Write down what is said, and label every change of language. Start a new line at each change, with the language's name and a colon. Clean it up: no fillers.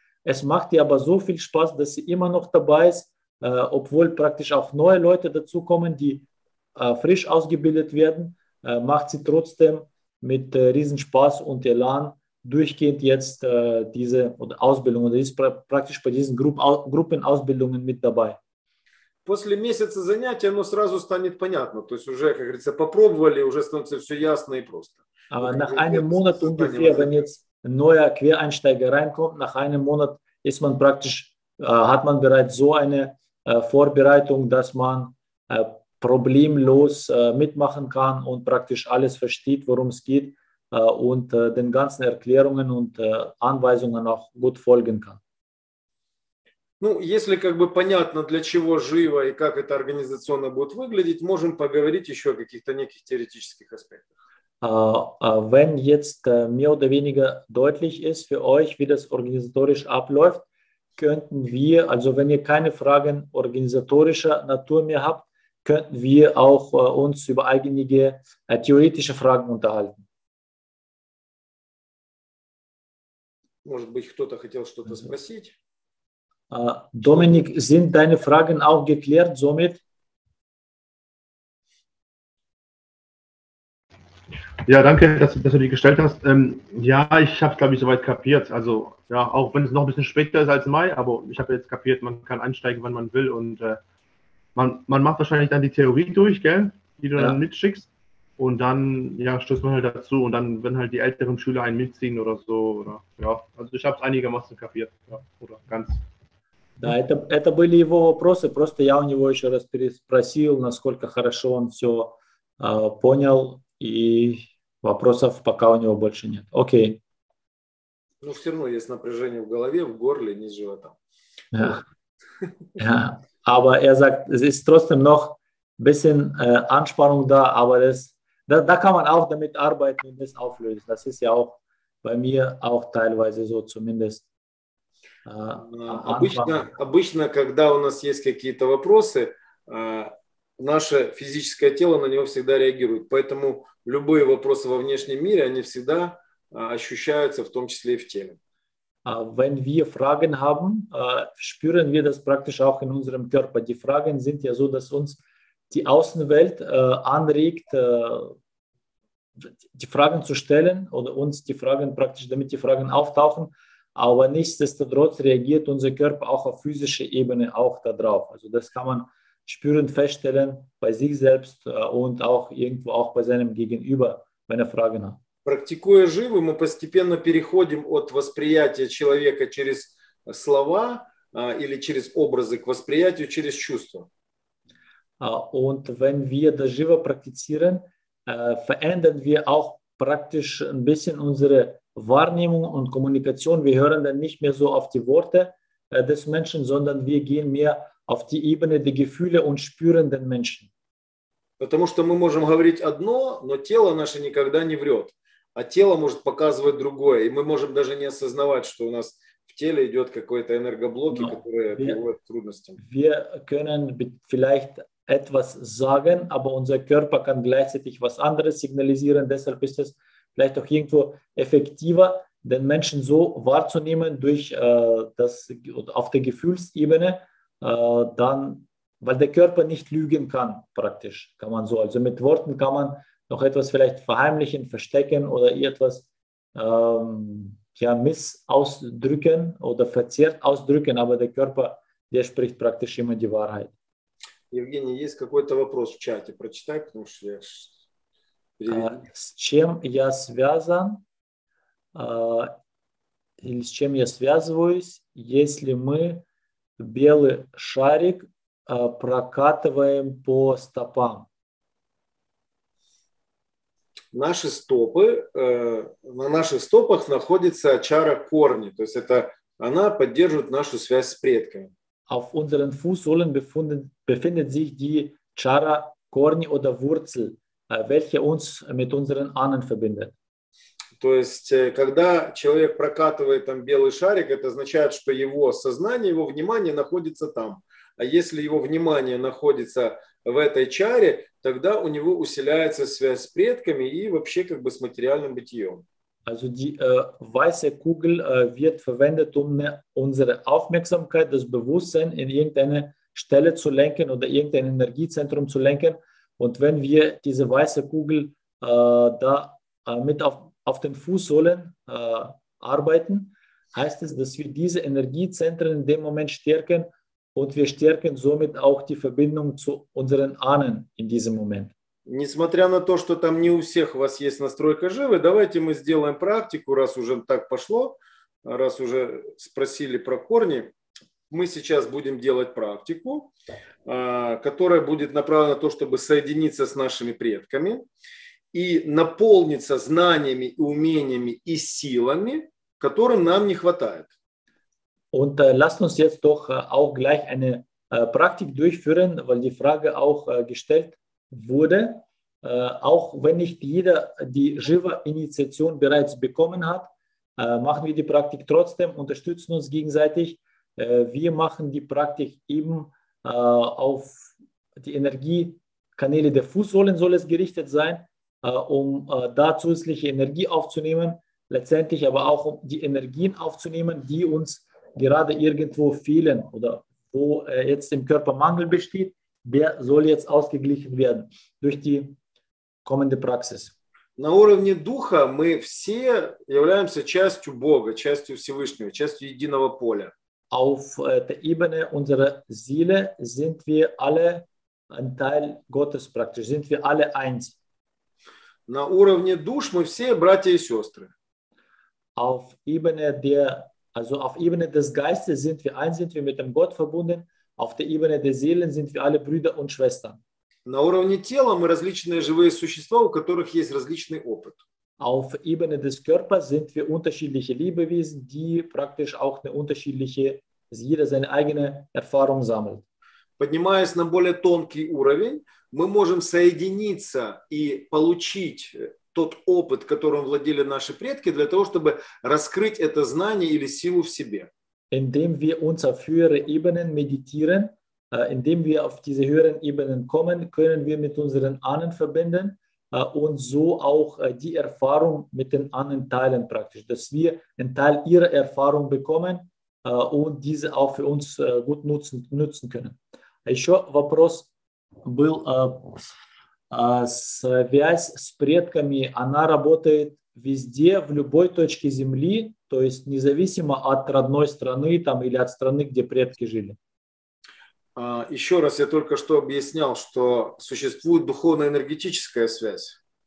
German: Es macht ihr aber so viel Spaß, dass sie immer noch dabei ist, obwohl praktisch auch neue Leute dazukommen, die frisch ausgebildet werden, macht sie trotzdem mit Riesenspaß und Elan durchgehend jetzt diese Ausbildung und ist praktisch bei diesen Gruppenausbildungen mit dabei.
Russian: После месяца занятия оно сразу станет понятно, то есть уже, как говорится, попробовали, уже становится все ясно и просто.
German: Aber nach einem Monat ungefähr, wenn jetzt neuer Quereinsteiger reinkommt, nach einem Monat ist man praktisch, hat man bereits so eine Vorbereitung, dass man problemlos mitmachen kann und praktisch alles versteht, worum es geht und den ganzen Erklärungen und Anweisungen auch gut folgen kann.
Russian: Ну, если как бы понятно, для чего живо и как это организационно будет выглядеть, можем поговорить еще о каких-то неких теоретических аспектах.
German: Wenn jetzt mehr oder weniger deutlich ist für euch, wie das organisatorisch abläuft, könnten wir, also wenn ihr keine Fragen organisatorischer Natur mehr habt, könnten wir auch uns über einige theoretische Fragen unterhalten.
Russian: Может быть, кто-то хотел что-то спросить?
German: Доминик, sind deine Fragen auch geklärt somit? Ja, danke, dass du die gestellt hast. Ja, ich habe es, glaube ich, soweit kapiert. Also, ja, auch wenn es noch ein bisschen später ist als Mai, aber ich habe jetzt kapiert, man kann einsteigen, wann man will. Und man macht wahrscheinlich dann die Theorie durch, gell, die du ja. dann mitschickst. Und dann, ja, stößt man halt dazu. Und dann, wenn halt die älteren Schüler einen mitziehen oder so. Oder, ja, also ich habe es einigermaßen kapiert. Ja, oder ganz.
Russian: Да, это были его вопросы, просто я у него еще раз переспросил, насколько хорошо он все понял, и вопросов пока у него больше нет. Окей. Ну, все равно есть напряжение в голове, в горле, низ живота.
German: Ja. Aber sagt, es ist trotzdem noch ein bisschen Anspannung da, aber da kann man auch damit arbeiten und das auflösen. Das ist ja auch bei mir auch teilweise so zumindest.
Russian: Обычно, когда у нас есть какие-то вопросы, наше физическое тело на него всегда реагирует. Поэтому любые вопросы во внешнем мире, они всегда ощущаются, в том числе и в теле.
German: Wenn wir Fragen haben, spüren wir das praktisch auch in unserem Körper. Die Fragen sind ja so, dass uns die Außenwelt anregt, die Fragen zu stellen oder uns die Fragen praktisch, damit die Fragen auftauchen. Aber nichtsdestotrotz reagiert unser Körper auch auf physischer Ebene auch darauf. Also das kann man spürend feststellen bei sich selbst und auch irgendwo auch bei seinem Gegenüber, wenn er Fragen hat.
Russian: Практикуя живы, мы постепенно переходим от восприятия человека через слова или через образы к восприятию через чувства.
German: Und wenn wir das живо praktizieren, verändern wir auch praktisch ein bisschen unsere Wahrnehmung und Kommunikation, wir hören dann nicht mehr so auf die Worte des Menschen, sondern wir gehen mehr auf die Ebene der Gefühle und spüren den Menschen.
Russian: Потому что мы можем говорить одно, но тело наше никогда не врет, а тело может показывать другое, и мы можем даже не осознавать, что у нас в теле идет какой-то энергоблок, который приводит к трудностям.
German: Wir können vielleicht etwas sagen, aber unser Körper kann gleichzeitig was anderes signalisieren, deshalb ist es vielleicht auch irgendwo effektiver, den Menschen so wahrzunehmen durch das auf der Gefühlsebene, dann, weil der Körper nicht lügen kann, praktisch kann man so. Also mit Worten kann man noch etwas vielleicht verheimlichen, verstecken oder etwas missausdrücken oder verzerrt ausdrücken, aber der Körper, der spricht praktisch immer die Wahrheit.
Russian: Евгений, есть какой-то вопрос в чате? Прочитай, потому что я. С чем я связан или с чем я связываюсь, если мы белый шарик прокатываем по стопам? Наши стопы, на наших стопах находится чара корни, то есть это она поддерживает нашу связь с предками.
German: Auf unseren Fußsohlen befindet sich die чара корни oder Wurzel. Welche uns mit unseren Ahnen verbindet.
Russian: То есть, когда человек прокатывает там белый шарик, это означает, что его сознание, его внимание находится там. А если его внимание находится в этой чаре, тогда у него усиливается связь с предками и вообще как бы с материальным бытием.
German: Also die weiße Kugel wird verwendet, um unsere Aufmerksamkeit, das Bewusstsein in irgendeine Stelle zu lenken oder irgendein Energiezentrum zu lenken. Und wenn wir diese weiße Kugel mit auf den Fußsohlen arbeiten, heißt es, dass wir diese Energiezentren in dem Moment stärken und wir stärken somit auch die Verbindung zu unseren Ahnen in diesem Moment.
Russian: Несмотря на то, что там не у всех у вас есть настройка живы, давайте мы сделаем практику, раз уже так пошло, раз уже спросили про корни. Мы сейчас будем делать практику, которая будет направлена на то, чтобы соединиться с нашими предками и наполниться знаниями, умениями и силами, которым нам не хватает.
German: Und lasst uns jetzt doch auch gleich eine Praktik durchführen, weil die Frage auch gestellt wurde. Auch wenn nicht jeder die Jiva-Initiation bereits bekommen hat, machen wir die Praktik trotzdem, unterstützen uns gegenseitig. Wir machen die Praktik eben auf die Energiekanäle der Fußsohlen soll es gerichtet sein, um da zusätzliche Energie aufzunehmen, letztendlich aber auch um die Energien aufzunehmen, die uns gerade irgendwo fehlen oder wo jetzt im Körper Mangel besteht, der soll jetzt ausgeglichen werden durch die kommende Praxis.
Russian: На уровне духа мы все являемся частью Бога, частью Всевышнего, частью единого поля.
German: Auf der Ebene unserer Seele sind wir alle ein Teil Gottes praktisch, sind wir alle eins.
Russian: На уровне душ мы все братья и сестры.
German: Auf Ebene der, also auf Ebene des Geistes sind wir eins, sind wir mit dem Gott verbunden. Auf der Ebene der Seelen sind wir alle Brüder und Schwestern.
Russian: На уровне тела мы различные живые существа, у которых есть различный опыт.
German: Auf Ebene des Körpers sind wir unterschiedliche Lebewesen, die praktisch auch eine unterschiedliche, jeder seine eigene Erfahrung sammelt.
Russian: Поднимаясь на более тонкий уровень, мы можем соединиться и получить тот опыт, которым владели наши предки, для того, чтобы раскрыть это знание или силу в себе.
German: Indem wir uns auf höhere Ebenen meditieren, indem wir auf diese höheren Ebenen kommen, können wir mit unseren Ahnen verbinden und so auch die Erfahrung mit den Ahnen teilen praktisch, dass wir einen Teil ihrer Erfahrung bekommen und diese auch für uns gut nutzen können.
Russian: Еще вопрос был, связь с предками, она работает везде, в любой точке земли, то есть независимо от родной страны там, или от страны, где предки жили. Еще раз, я только что объяснял, что существует духовно-энергетическая связь.